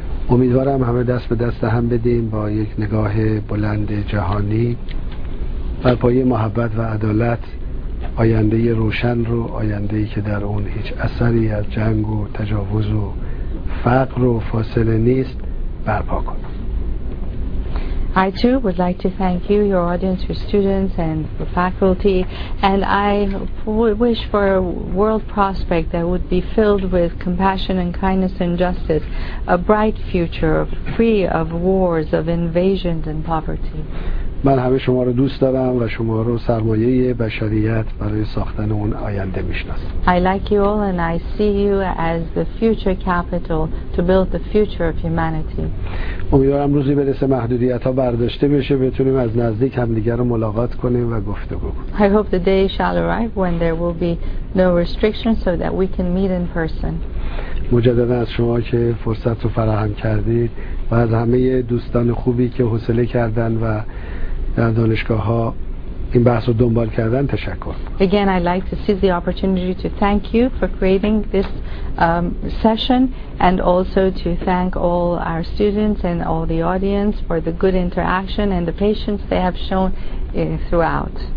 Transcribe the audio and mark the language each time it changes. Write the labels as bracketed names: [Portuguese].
[Persian] امیدوارم همه دست به دست هم بدیم با یک نگاه بلند جهانی بر پایه محبت و عدالت، آینده روشن رو، آینده‌ای که در اون هیچ اثری از جنگ و تجاوز و فقر و فاصله نیست، برپا کنیم. [English] I too would like to thank you, your audience, your students and the faculty, and I wish for a world prospect that would be filled with compassion and kindness and justice, a bright future free of wars, of invasions and poverty. [Persian] من همه شما رو دوست دارم و شما رو سرمایه بشریت برای ساختن اون آینده میشناسم. [English] I like you all and I see you as the future capital to build the future of humanity. [Persian] امیدوارم روزی برسه محدودیت‌ها برداشته بشه، بتونیم از نزدیک همدیگر رو ملاقات کنیم و گفتگو کنیم. [English] I hope the day shall arrive when there will be no restrictions so that we can meet in person. [Persian] مجددا از شما که فرصت رو فراهم کردید و از همه دوستان خوبی که حوصله کردن و در دانشگاه ها این بحث رو دنبال کردن تشکر. [English] Again, I'd like to seize the opportunity to thank you for creating this session and also to thank all our students and all the audience for the good interaction and the patience they have shown throughout.